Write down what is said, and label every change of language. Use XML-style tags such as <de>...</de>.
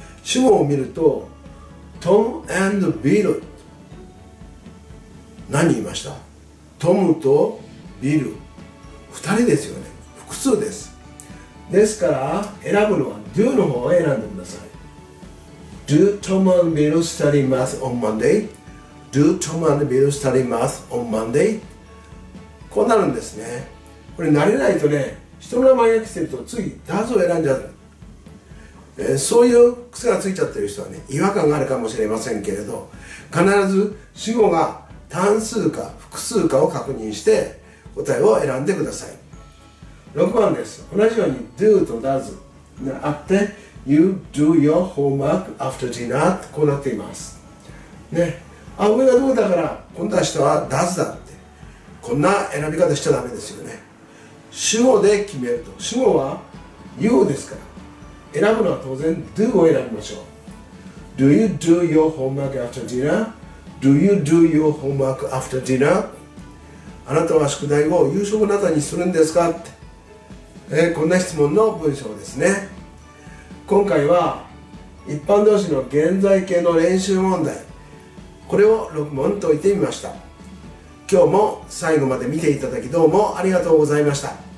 <ja>主語を見ると、Tom and Bill。何言いました？ Tom と Bill。二人ですよね。複数です。ですから、選ぶのは Do の方を選んでください。</ja> <en>Do Tom and Bill study math on Monday? Do Tom and Bill study math on Monday?</en> <ja>こうなるんですね。これ慣れないとね、人の名前が来てるとつい does を選んじゃう、そういう癖がついちゃってる人はね、違和感があるかもしれませんけれど、必ず主語が単数か複数かを確認して答えを選んでください。 6番です。同じように do と does があって</ja> <en>you do your homework after dinner、</en> <ja>こうなっていますね。あ、上がどうだから今度は人は does だ、こんな選び方しちゃダメですよね。主語で決めると、主語は You ですから、選ぶのは当然 Do を選びましょう。</ja> <en>Do you do your homework after dinner? Do you do your homework after dinner?</en> <ja>あなたは宿題を夕食の後にするんですか？こんな質問の文章ですね。今回は一般動詞の現在形の練習問題、これを6問解いてみました。今日も最後まで見ていただきどうもありがとうございました。</ja>